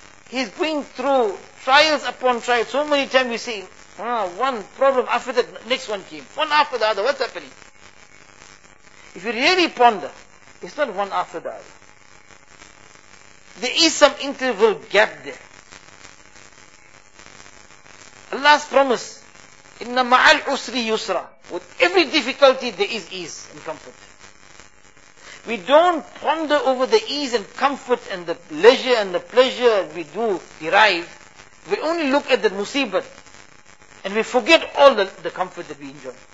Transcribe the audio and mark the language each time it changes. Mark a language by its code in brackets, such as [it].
[en] He's going through trials upon trials. So many times we see, one problem after that, next one came. One after the other, what's happening? If you really ponder, it's not one after the other. There is some interval gap there. Allah's promise, [ar] إِنَّ مَعَ الْعُسْرِ يُسْرًا. [en] With every difficulty there is ease and comfort. We don't ponder over the ease and comfort and the leisure and the pleasure we do derive. We only look at the musibat and we forget all the comfort that we enjoy.